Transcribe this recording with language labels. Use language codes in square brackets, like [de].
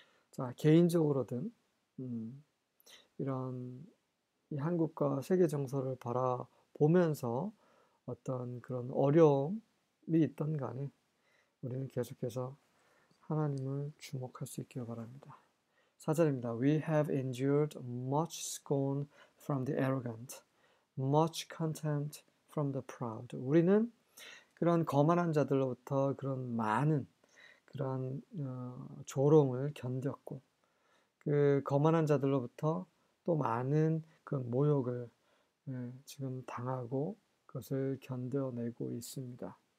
[ko] 자, 개인적으로든 이런 이 한국과 세계 정서를 바라보면서 어떤 그런 어려움이 있던 간에 우리는 계속해서 하나님을 주목할 수 있기를 바랍니다. 4절입니다. [en] We have endured much scorn from the arrogant, much contempt from the proud. [ko] 우리는 그런 거만한 자들로부터 그런 많은 그런 조롱을 견뎠고 그 거만한 자들로부터 또 많은 그 모욕을 지금 당하고 그것을 견뎌내고 있습니다.